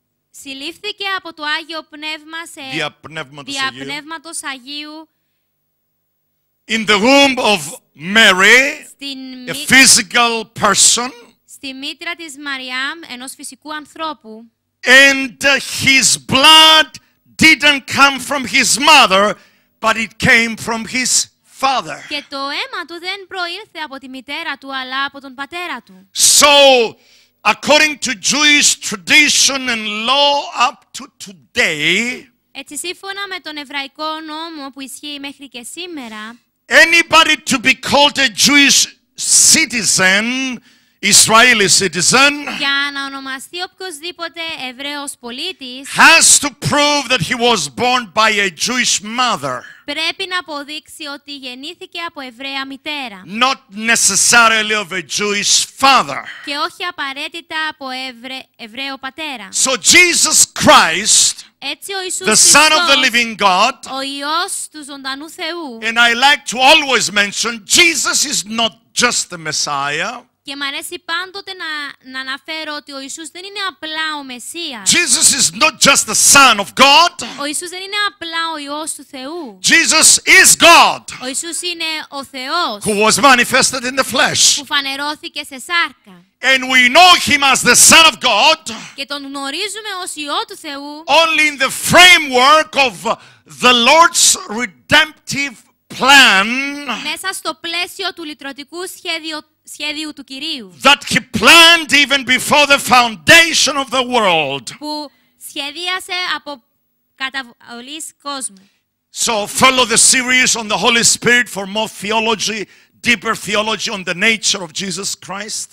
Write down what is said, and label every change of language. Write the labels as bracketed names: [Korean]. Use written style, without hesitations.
[Greek] Συλλήφθηκε από το Άγιο Πνεύμα σε διαπνεύματος Αγίου. [English] In the womb of Mary, a physical person, [Greek] στη μήτρα της Μαριάμ, ενός φυσικού ανθρώπου, [English] and his blood didn't come from his mother, but it came from his father. [Greek] Και το αίμα του δεν προήλθε από τη μητέρα του, αλλά από τον πατέρα του. [English] So, according to Jewish tradition and law up to today, [Greek] έτσι σύμφωνα με τον εβραϊκό νόμο που ισχύει μέχρι και σήμερα, [English] anybody to be called a Jewish citizen, Israeli citizen, [Greek] για να ονομαστεί οποιοδήποτε Εβραίος πολίτης, [English] has to prove that he was born by a Jewish mother. [Greek] Πρέπει να αποδείξει ότι γεννήθηκε από Εβραία μητέρα. [English] Not necessarily of a Jewish father. [Greek] Και όχι απαραίτητα από Εβραίο πατέρα. [English] So Jesus Christ, [Greek] έτσι, ο Ιησούς [English] the Son Χριστός, of the living God, [Greek] ο Υιός του ζωντανού Θεού. [English] And I like to always mention, Jesus is not just the Messiah. [Greek] Και μ' αρέσει πάντοτε να αναφέρω ότι ο Ιησούς δεν είναι απλά ο Μεσσίας. [English] Jesus is not just the Son of God. [Greek] Ο Ιησούς δεν είναι απλά ο Υιός του Θεού. [English] Jesus is God. [Greek] Ο Ιησούς είναι ο Θεός. [English] Who was manifested in the flesh. [Greek] Που φανερώθηκε σε σάρκα. [English] And we know him as the Son of God. [Greek] Και τον γνωρίζουμε ως Υιό του Θεού. [English] Only in the framework of the Lord's redemptive plan. [Greek] Μέσα στο πλαίσιο του λυτρωτικού σχέδιου του Κυρίου. [English] That he planned even before the foundation of the world. [Greek] Που σχεδίασε από καταβολής κόσμου. [English] So follow the series on the Holy Spirit for more theology. Deeper theology on the nature of Jesus Christ.